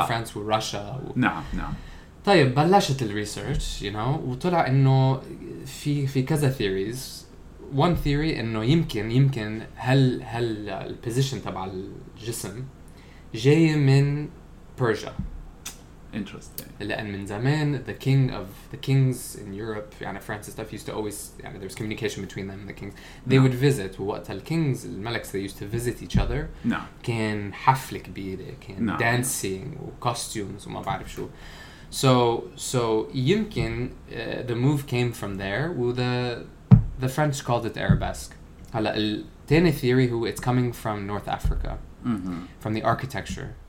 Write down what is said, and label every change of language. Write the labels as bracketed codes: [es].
[ar] فرانس وروسيا نعم. طيب بلشت الريسيرش [en] you know [ar] وطلع انه في كذا ثيريز. [en] one theory [ar] انه يمكن هل البوزيشن تبع الجسم جاي من Persia. [en] Interesting. لأن من زمان the kings in Europe, يعني France and stuff, used to always, يعني there was communication between them and the kings. They would visit. [ar] وقت الكينجز الملكس [en] they used to visit each other. [ar] كان حفل كبير, كان dancing وكوستيومز وما بعرف شو. [en] So يمكن the move came from there. The French called it arabesque. [ar] هلا التاني [en] theory هو it's coming from North Africa, from the architecture.